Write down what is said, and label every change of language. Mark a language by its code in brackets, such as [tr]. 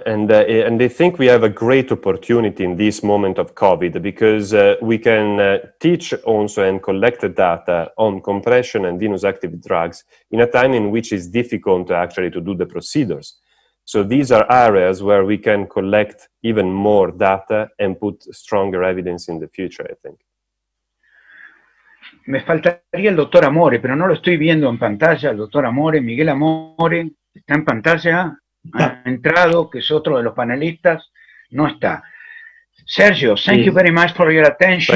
[en] And I think we have a great opportunity in this moment of COVID because we can teach also and collect the data on compression and venous active drugs in a time in which it's difficult actually to do the procedures. So these are areas where we can collect even more data and put stronger evidence in the future, I think. [es] Me faltaría el doctor Amore, pero no lo estoy viendo en pantalla. El doctor Amore, Miguel Amore, está en pantalla, ha entrado, que es otro de los panelistas, no está. [en] Sergio, thank you very much for your attention.